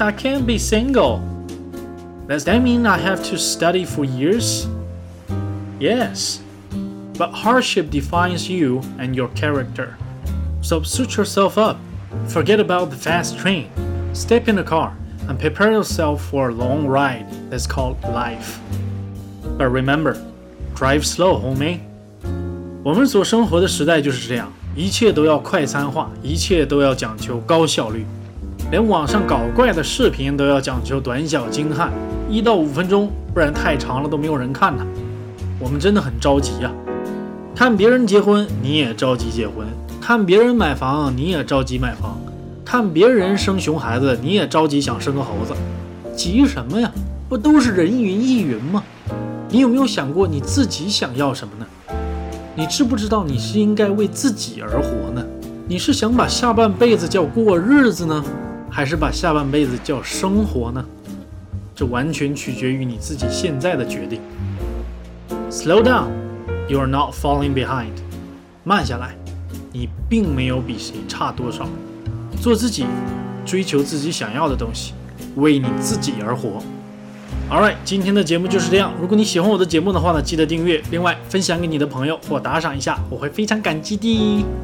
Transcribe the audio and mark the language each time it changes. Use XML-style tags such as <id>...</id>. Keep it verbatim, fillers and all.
<en>I can't be single. Does that mean I have to study for years? Yes. But hardship defines you and your character. So suit yourself up. Forget about the fast train. Step in the car and prepare yourself for a long ride that's called life. But remember, drive slow, homie.</en> <zh>我们所生活的时代就是这样，一切都要快餐化，一切都要讲求高效率，连网上搞怪的视频都要讲求短小精悍，一到五分钟，不然太长了都没有人看呢。我们真的很着急啊！看别人结婚，你也着急结婚；看别人买房，你也着急买房；看别人生熊孩子，你也着急想生个猴子。急什么呀？不都是人云亦云吗？你有没有想过你自己想要什么呢？你知不知道你是应该为自己而活呢？你是想把下半辈子叫过日子呢，还是把下半辈子叫生活呢？这完全取决于你自己现在的决定。</zh> <en>Slow down, you are not falling behind.</en> <zh>慢下来，你并没有比谁差多少。做自己，追求自己想要的东西，为你自己而活。 Alright, 今天的节目就是这样。如果你喜欢我的节目的话呢，记得订阅，另外分享给你的朋友或打赏一下，我会非常感激的。</zh>